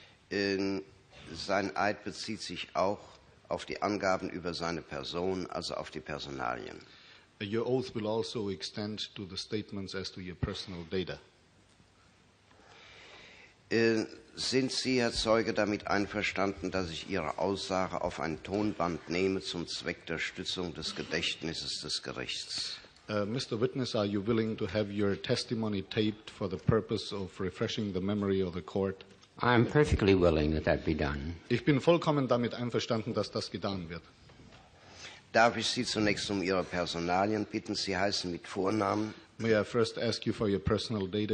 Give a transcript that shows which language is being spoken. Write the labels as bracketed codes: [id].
[de] Sein Eid bezieht sich auch auf die Angaben über seine Person, also auf die Personalien. [en] Your oath will also extend to the statements as to your personal data. [de] Sind Sie, Herr Zeuge, damit einverstanden, dass ich Ihre Aussage auf ein Tonband nehme zum Zweck der Stützung des Gedächtnisses des Gerichts? [en] Mr. Witness, are you willing to have your testimony taped for the purpose of refreshing the memory of the court? I am perfectly willing that that be done. [de] Ich bin vollkommen damit einverstanden, dass das getan wird. Darf ich Sie zunächst um Ihre Personalien bitten? Sie heißen mit Vornamen. [en] May I first ask you for your personal data?